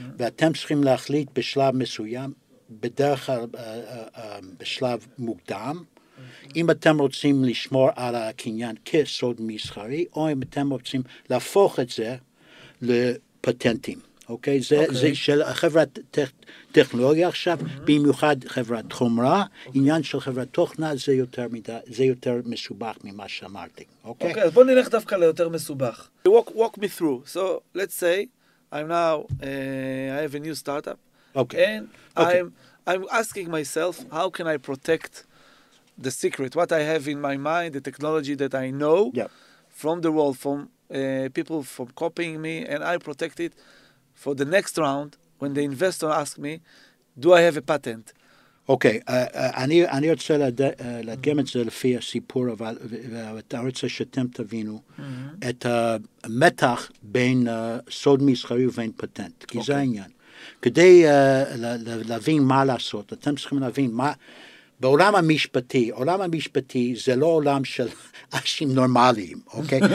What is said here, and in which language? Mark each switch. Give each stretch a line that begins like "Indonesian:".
Hebrew: ואתם צריכים להחליט בשלב מסוים, בדרך כלל בשלב מוקדם, mm-hmm. אם אתם רוצים לשמור על הקניין כסוד מסחרי, או אם אתם רוצים להפוך את זה לפטנטים. אוקיי? זה, okay. זה של חברת טכנולוגיה עכשיו, mm-hmm. במיוחד חברת חומרה. Okay. עניין של חברת תוכנה זה יותר, זה יותר מסובך ממה שאמרתי. אוקיי? Okay, אז בוא נלך דווקא ליותר מסובך.
English: Walk me through. So, let's say... I'm now I have a new startup. Okay. And okay. I'm asking myself, how can I protect the secret, what I have in my mind, the technology that I know, yep. from the world, from people from copying me, and I protect it for the next round when the investor asks me, do I have a patent?
Hebrew: אוקיי, אני רוצה להדגם את זה לפי הסיפור, אבל אני רוצה שאתם תבינו את המתח בין סוד מסחרי ובין פטנט, כי זה העניין. כדי להבין מה לעשות, אתם צריכים להבין מה, בעולם המשפטי, עולם המשפטי זה לא עולם של אנשים נורמליים, אוקיי?